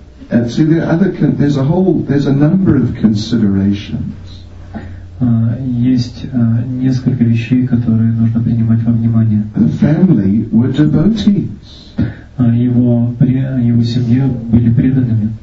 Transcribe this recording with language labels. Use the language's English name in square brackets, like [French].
[English] And see, there's a number of considerations. [Russian] Есть несколько вещей, которые нужно принимать во внимание. [English] The family were devotees. [Russian] Его семья были преданными.